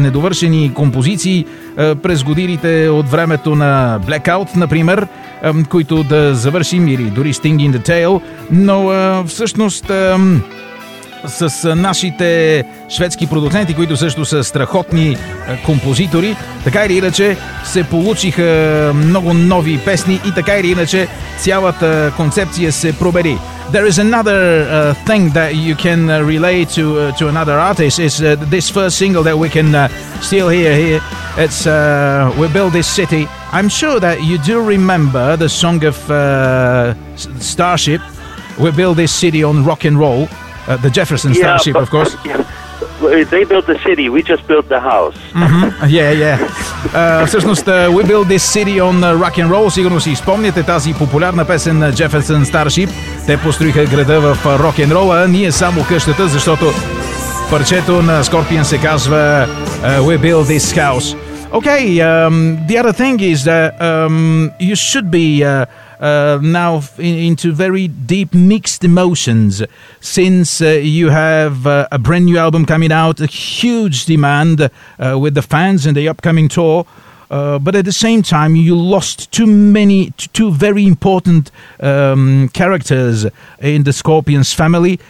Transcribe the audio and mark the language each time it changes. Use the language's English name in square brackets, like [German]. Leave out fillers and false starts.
[Bulgarian] недовършени композиции през годините от времето на Blackout, например, които да завършим, или дори Sting in the Tail, но всъщност с нашите шведски продуценти, които също са страхотни композитори, така или иначе се получиха много нови песни и така или иначе цялата концепция се пробери. [English] There is another thing that you can relay to another artist. It's this first single that we can still hear here. It's We Build This City. I'm sure that you do remember the song of Starship, We Build This City on Rock and Roll, the Jefferson Starship, but, of course. They built the city, we just built the house. Mm-hmm. Yeah. [Bulgarian] Всъщност, We Build This City on Rock and Roll, сигурно си спомняте тази популярна песен на Jefferson Starship. Те построиха града в Rock and Roll, а ние само къщата, защото парчето на Scorpion се казва We Build This House. [English] Okay, the other thing is that you should be now into very deep mixed emotions, since you have a brand new album coming out, a huge demand with the fans and the upcoming tour, but at the same time you lost two very important characters in the Scorpions family.